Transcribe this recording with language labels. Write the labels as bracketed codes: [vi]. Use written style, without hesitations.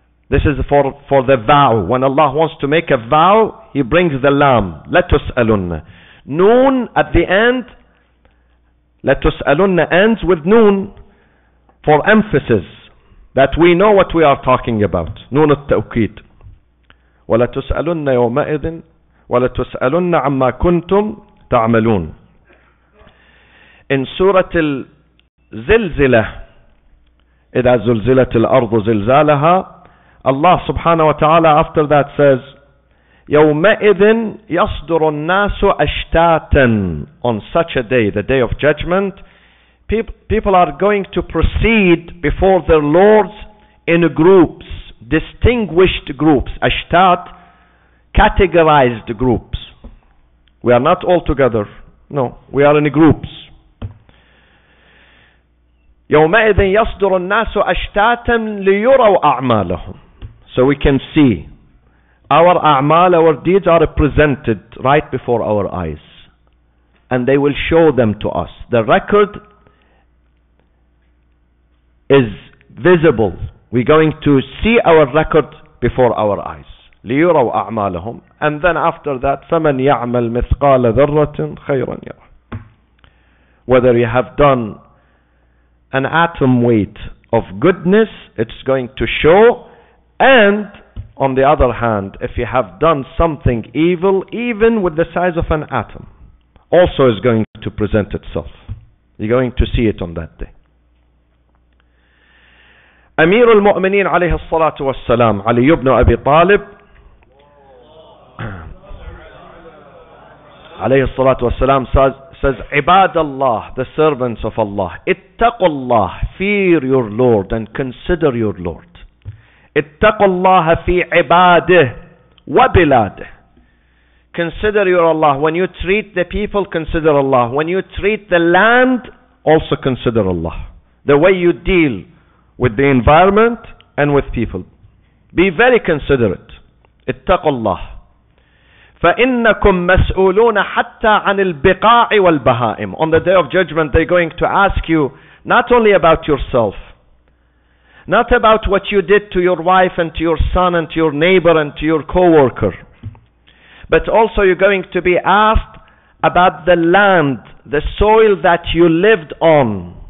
[en] This is for the vow. When Allah wants to make a vow, He brings the لَامْ. [ar] لَتُسْأَلُنَّ. [en] نُون at the end, لَتُسْأَلُنَّ ends with نُون for emphasis that we know what we are talking about. [ar] نُون التوكيد. وَلَتُسْأَلُنَّ يَوْمَئِذٍ وَلَتُسْأَلُنَّ عَمَّا كُنْتُمْ تَعْمَلُونَ. [en] In Surah Al-Zilzila, إِذَا زُلْزِلَتِ الْأَرْضُ زِلْزَالَهَا, Allah subhanahu wa ta'ala after that says, [ar] يَوْمَئِذٍ يَصْدُرُ النَّاسُ أَشْتَاتًا. [en] On such a day, the day of judgment, people are going to proceed before their lords in groups, distinguished groups, أَشْتَات, categorized groups. We are not all together. No, we are in groups. [ar] يَوْمَئِذٍ يَصْدُرُ النَّاسُ أَشْتَاتًا لِيُرَوْا أَعْمَالَهُمْ. [en] So we can see. Our a'mal, our deeds are presented right before our eyes. And they will show them to us. The record is visible. We're going to see our record before our eyes. [ar] لِيُرَوْا أَعْمَالَهُمْ. [en] And then after that, [ar] فَمَنْ يَعْمَلْ مِثْقَالَ ذَرَّةٍ خَيْرًا يَرَى. [en] Whether you have done an atom weight of goodness, it's going to show. And on the other hand, if you have done something evil, even with the size of an atom, also is going to present itself. You're going to see it on that day. Amir al-Mu'mineen alayhi salatu wassalam, Ali ibn Abi Talib alayhi salatu wassalam says, Ibad Allah, the servants of Allah, [ar] ittaqu Allah, [en] fear your Lord and consider your Lord. [ar] اتقوا الله في عباده وبلاده. [en] Consider your Allah. When you treat the people, consider Allah. When you treat the land, also consider Allah. The way you deal with the environment and with people, be very considerate. [ar] اتقوا الله. فإنكم مسؤولون حتى عن البقاع والبهائم. [en] On the day of judgment, they're going to ask you not only about yourself, not about what you did to your wife and to your son and to your neighbor and to your co-worker, but also you're going to be asked about the land, the soil that you lived on.